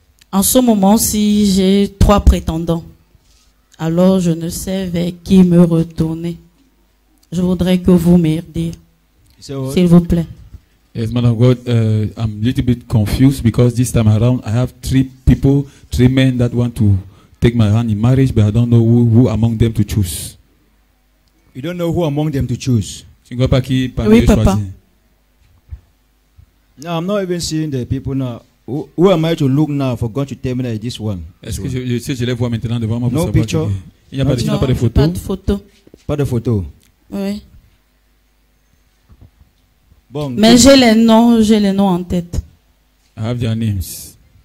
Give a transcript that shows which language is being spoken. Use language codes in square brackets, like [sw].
[fr] En ce moment, si j'ai 3 prétendants, alors je ne sais vers qui me retourner. Je voudrais que vous m'aidiez, s'il vous plaît. [en] Yes, madame God, I'm a little bit confused because this time around, I have 3 men that want to take my hand in marriage, but I don't know who among them to choose. You don't know who among them to choose. [fr] Tu ne vois pas qui parmi eux choisir. Oui, papa. [en] No, I'm not even seeing the people now. Who am I to look now for God to tell me that this one? [fr] Est-ce que je sais je les vois maintenant devant moi? [en] No picture. [fr] Il n'y a pas de pas de photo. Pas de photo. Pas de photo. Oui. Bon. Mais j'ai les noms en tête. [en] I have their names.